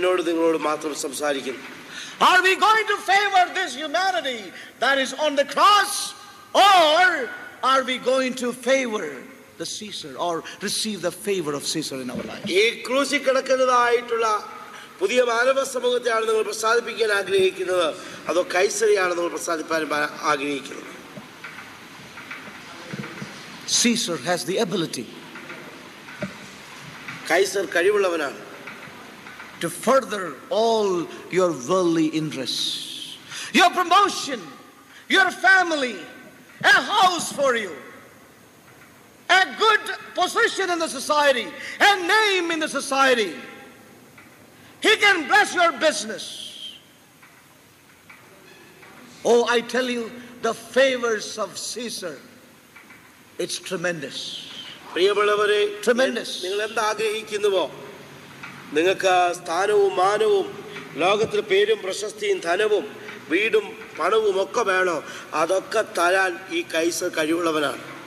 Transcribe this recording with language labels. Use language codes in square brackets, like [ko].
[en] Are we going to favor this humanity that is on the cross, or are we going to favor the Caesar or receive the favor of Caesar in our lives? [ml] പുതിയ മാനവ സമൂഹത്തെയാണ് നിങ്ങൾ പ്രസാദിപ്പിക്കാൻ ആഗ്രഹിക്കുന്നത്, അതോ കൈസറിയാണ് നിങ്ങൾ പ്രസാദിപ്പാൻ ആഗ്രഹിക്കുന്നത്? [en] Caesar has the ability, [ml] Kaiser കഴിവുള്ളവനാണ്, [en] To further all your worldly interest, your promotion, your family, a house for you, a good position in the society, a name in the society. He can bless your business. Oh, I tell you, the favors of Caesar, it's tremendous. [ml] പ്രിയമുള്ളവരെ, [en] tremendous. [ml] നിങ്ങൾ എന്താ ആഗ്രഹിക്കുന്നുവോ, നിങ്ങൾക്ക് സ്ഥാനവും മാനവും ലോകത്തിൽ പേരും പ്രശസ്തിയും ധനവും വീടും പണവും ഒക്കെ വേണോ, അതൊക്കെ തരാൻ ഈ കൈസർ കഴിവുള്ളവനാണ്.